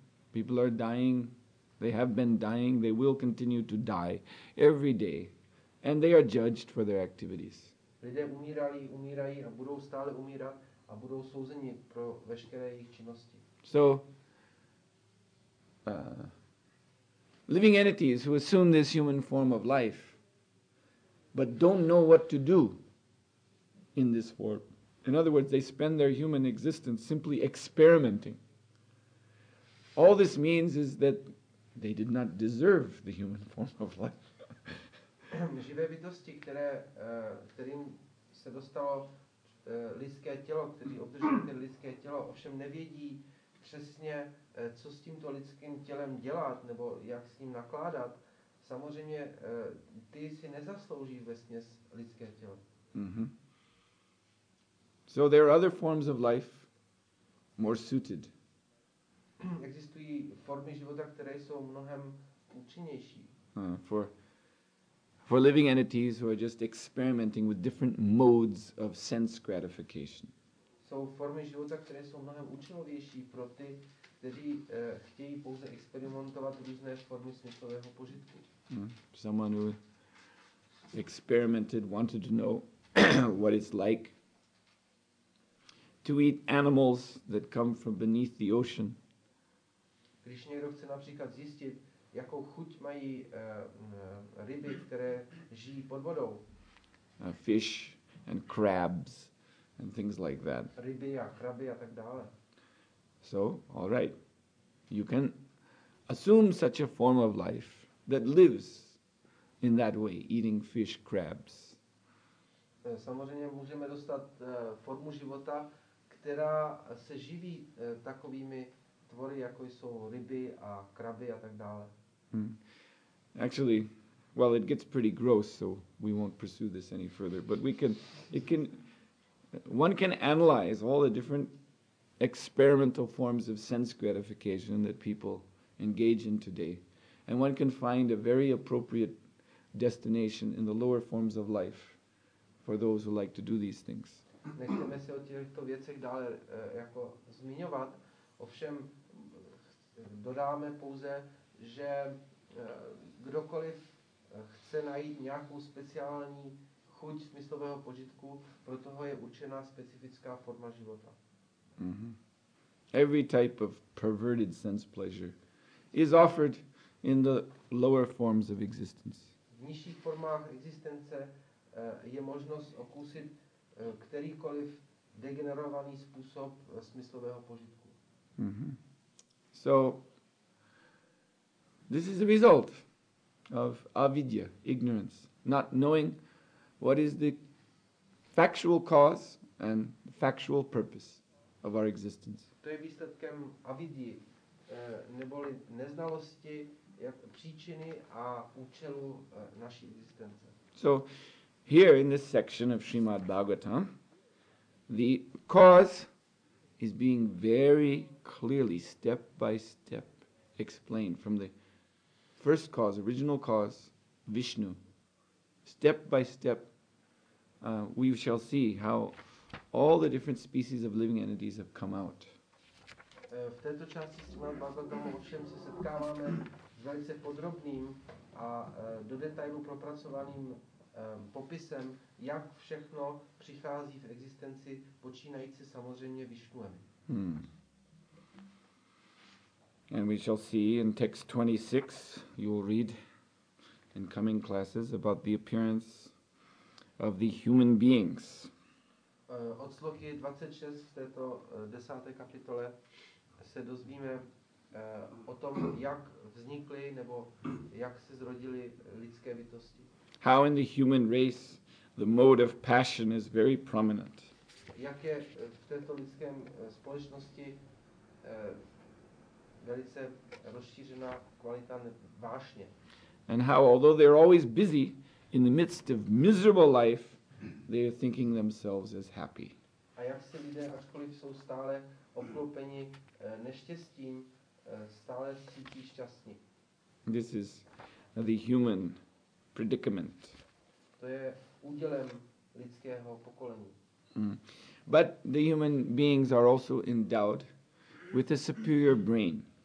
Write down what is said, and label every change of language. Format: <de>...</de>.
<en>People are dying, they have been dying, they will continue to die every day, and they are judged for their activities.</en> <cs>Lidé umírali, umírají a budou stále umírat a budou souzeni pro veškeré jejich činnosti.</cs> <en>So, living entities who assume this human form of life, but don't know what to do in this In other words, they spend their human existence simply experimenting. All this means is that they did not deserve the human form of life.</en> <cs>Živé bytosti, kterým se dostalo lidské tělo, kteří obdrželi lidské tělo, ovšem nevědí přesně, co s tímto lidským tělem dělat nebo jak s ním nakládat. Samozřejmě ty si nezaslouží vesměs lidské tělo. Mm-hmm.</cs> <en>So there are other forms of life more suited.</en> <cs>Existují formy života, které jsou mnohem účinnější.</cs> <en>For living entities who are just experimenting with different modes of sense gratification.</en> <cs>Jsou formy života, které jsou mnohem účinnější pro ty, kteří chtějí pouze experimentovat různé formy smyslového požitku.</cs> <en>Someone who experimented wanted to know what it's like to eat animals that come from beneath the ocean.</en> <cs>Když někdo chce například zjistit, jakou chuť mají ryby, které žijí pod vodou.</cs> <en>Fish and crabs and things like that.</en> <cs>Ryby a kraby a tak dále.</cs> <en>So, all right. You can assume such a form of life that lives in that way, eating fish, crabs.</en> <cs>Samozřejmě můžeme dostat formu života, která se živí takovými tvory, jako jsou ryby a kraby a tak dále.</cs> <en>Actually, well, it gets pretty gross, so we won't pursue this any further. But one can analyze all the different experimental forms of sense gratification that people engage in today, and one can find a very appropriate destination in the lower forms of life for those who like to do these things.</en> <cs>Nechceme se o těchto věcech dále jako zmiňovat, ovšem dodáme pouze, že kdokoliv chce najít nějakou speciální chuť smyslového požitku, pro toho je určená specifická forma života.</cs> <en>Mm-hmm. Every type of perverted sense pleasure is offered in the lower forms of existence.</en> <cs>V nižších formách existence je možnost okusit kterýkoliv degenerovaný způsob smyslového požitku. Mm-hmm.</cs> <en>So, this is the result of avidya, ignorance, not knowing what is the factual cause and factual purpose of our existence.</en> <cs>To je výsledkem avidy, neboli neznalosti jak příčiny a účelu naší existence.</cs> <en>So, here in this section of Srimad Bhagavatam, the cause is being very clearly, step by step, explained from the first cause, original cause, Vishnu. Step by step, we shall see how all the different species of living entities have come out.</en> <cs>V této části Srimad Bhagavatam ovšem se setkáváme s velice podrobným a do detailu propracovaným popisem, jak všechno přichází v existenci, počínající samozřejmě Vishnuem.</cs> <en>And we shall see in text 26, you will read in coming classes about the appearance of the human beings.</en> <cs>Od sloky 26 v této desáté kapitole se dozvíme o tom, jak vznikly nebo jak se zrodily lidské bytosti.</cs> <en>How in the human race the mode of passion is very prominent.</en> <cs>Jak je v této lidské společnosti velice rozšířená kvalita vášně.</cs> <en>And how, although they're always busy in the midst of miserable life, they are thinking themselves as happy.</en> <cs>A jak si lidé, ačkoliv jsou stále obklopeni neštěstím, stále cítí šťastní.</cs> <en>This is the human predicament.</en> <cs>To je údělem lidského pokolení.</cs> <en>But the human beings are also endowed with a superior brain.</en>